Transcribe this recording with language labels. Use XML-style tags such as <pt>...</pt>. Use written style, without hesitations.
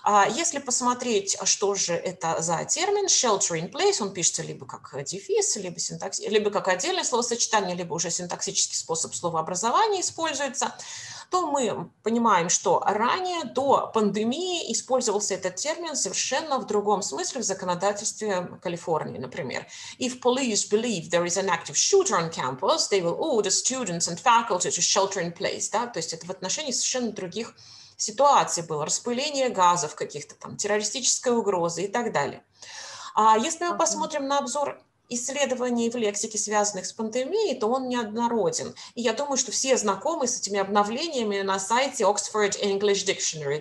<ru>Если посмотреть, что же это за термин, shelter in place, он пишется либо как дефис, либо, либо как отдельное словосочетание, либо уже синтаксический способ словообразования используется, то мы понимаем, что ранее, до пандемии, использовался этот термин совершенно в другом смысле в законодательстве Калифорнии, например.</ru> <en>If police believe there is an active shooter on campus, they will order students and faculty to shelter in place.</en> <ru>Да? То есть это в отношении совершенно других ситуаций было. Распыление газов каких-то там, террористической угрозы и так далее. А если мы посмотрим на обзор исследований в лексике, связанных с пандемией, то он неоднороден. И я думаю, что все знакомы с этими обновлениями на сайте Oxford English Dictionary.</ru>